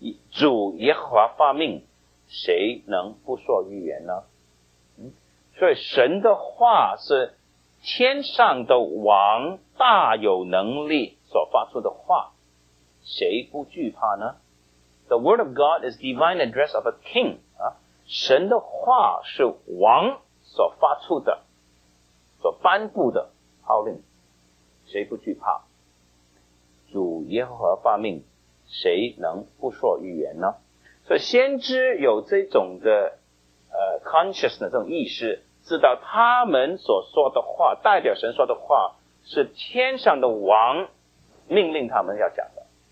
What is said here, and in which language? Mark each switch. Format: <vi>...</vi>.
<zh>主耶和华发命，谁能不说预言呢？所以神的话是天上的王大有能力所发出的话，谁不惧怕呢？</zh> <en>The word of God is divine address of a king.</en> <zh>神的话是王所发出的，所颁布的号令，谁不惧怕？主耶和华发命，谁能不说预言呢？所以先知有这种的consciousness， 这种意识，知道他们所说的话代表神说的话是天上的王命令他们要讲的。</zh>